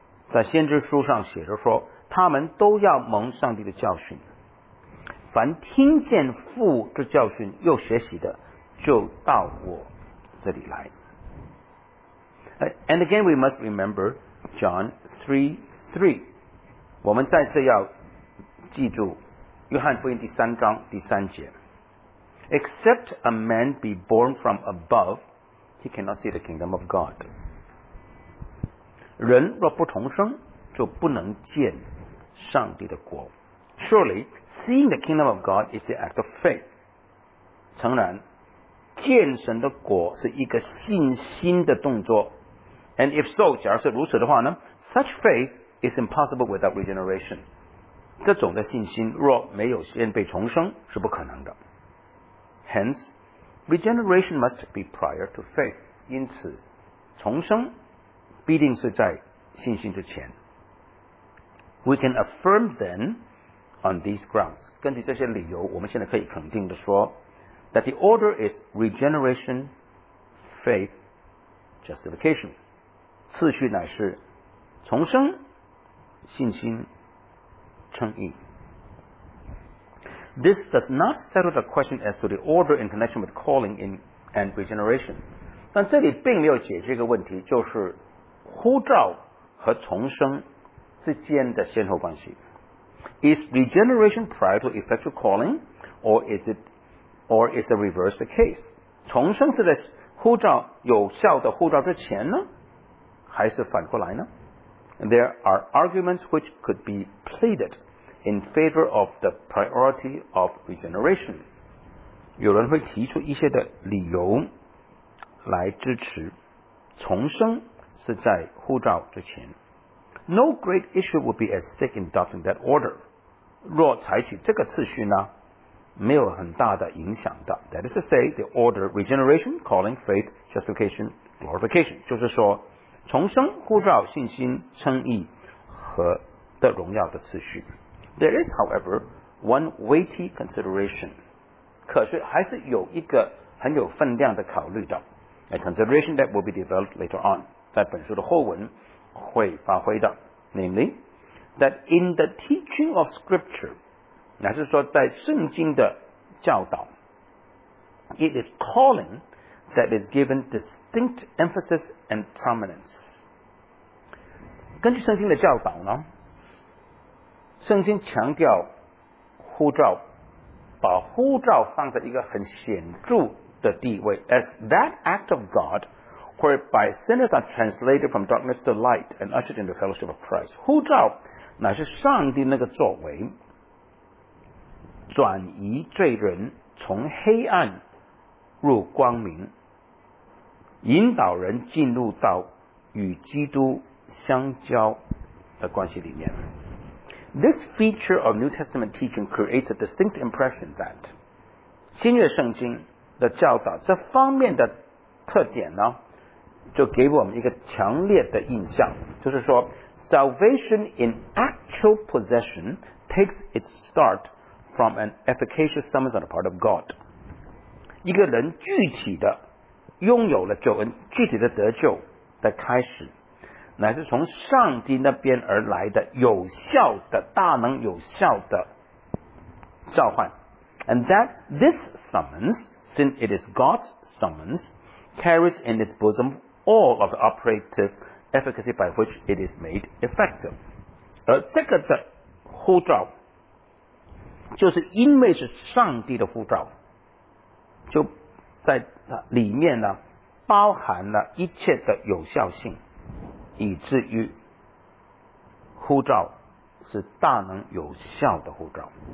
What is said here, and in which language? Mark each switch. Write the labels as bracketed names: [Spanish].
[Chinese] 在先知书上写着说，他们都要蒙上帝的教训，凡听见父之教训又学习的，就到我这里来。 [English] And again we must remember John 3:3， [Chinese] 我们再次要记住约翰福音第三章第三节。 [English] Except a man be born from above, he cannot see the kingdom of God. [Chinese] 人若不重生，就不能见上帝的国。 [English] Surely, seeing the kingdom of God is the act of faith. [Chinese] 诚然，见神的国是一个信心的动作。 [English] And if so, [Chinese] 假如是如此的话呢， [English] such faith is impossible without regeneration. [Chinese] 这种的信心若没有先被重生，是不可能的。 [English] Hence, regeneration must be prior to faith. [Chinese] 因此，重生必定是在信心之前。 [English] We can affirm then on these grounds. [Chinese] 根据这些理由，我们现在可以肯定地说 [English] that the order is regeneration, faith, justification. [Chinese] 次序乃是重生、信心、称义。 [English] This does not settle the question as to the order in connection with calling in and regeneration. [Chinese] 但这里并没有解决一个问题，就是呼召和重生之间的先后关系。 [English] Is regeneration prior to effectual calling, or is the reverse the case? [Chinese] 重生是在呼召有效的呼召之前呢，还是反过来呢？ [English] There are arguments which could be pleaded. In favor of the priority of regeneration. [Chinese] 有人会提出一些的理由来支持重生是在呼召之前。 [English] No great issue would be at stake in adopting that order. [Chinese] 若采取这个次序呢，没有很大的影响的。 [English] That is to say, the order regeneration, calling, faith, justification, glorification. [Chinese] 就是说重生、呼召、信心、称义和的荣耀的次序。 [English] There is, however, one weighty consideration. [Chinese] 可是还是有一个很有分量的考虑的。 [English] A consideration that will be developed later on. [Chinese] 在本书的后文会发挥的。 [English] Namely, that in the teaching of Scripture, [Chinese] 乃是说在圣经的教导, [English] it is calling that is given distinct emphasis and prominence. [Chinese] 根据圣经的教导呢，圣经强调呼召，把呼召放在一个很显著的地位。 [English] As that act of God whereby sinners are translated from darkness to light and ushered into fellowship of Christ. [Chinese] 呼召乃是上帝那个作为，转移罪人从黑暗入光明，引导人进入到与基督相交的关系里面。 [English] This feature of New Testament teaching creates a distinct impression that [Chinese] 新约圣经的教导这方面的特点呢，就给我们一个强烈的印象，就是说 [English] Salvation in actual possession takes its start from an efficacious summons on the part of God. [Chinese] 一个人具体的拥有了救恩，具体的得救的开始，乃是从上帝那边而来的有效的大能有效的召唤。 [English] And that this summons, since it is God's summons, carries in its bosom all of the operative efficacy by which it is made effective. [Chinese] 这个的护照就是因为是上帝的护照，就在里面呢包含了一切的有效性，以至于护照是大能有效的护照。